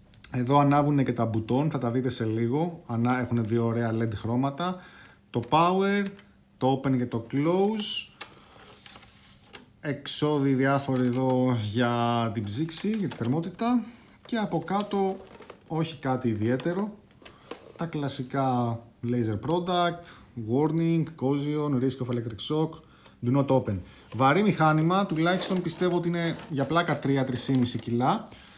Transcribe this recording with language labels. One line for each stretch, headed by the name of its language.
Greek: Εδώ ανάβουν και τα μπουτών, θα τα δείτε σε λίγο. Έχουν δύο ωραία LED χρώματα. Το power, το open και το close. Εξόδι διάφορο εδώ για την ψήξη, για τη θερμότητα. Και από κάτω, όχι κάτι ιδιαίτερο. Τα κλασικά
English: laser product, warning, corrosion, risk of electric shock, Do not open. Βαρύ μηχάνημα, τουλάχιστον πιστεύω ότι είναι για πλάκα 3-3,5 κιλά.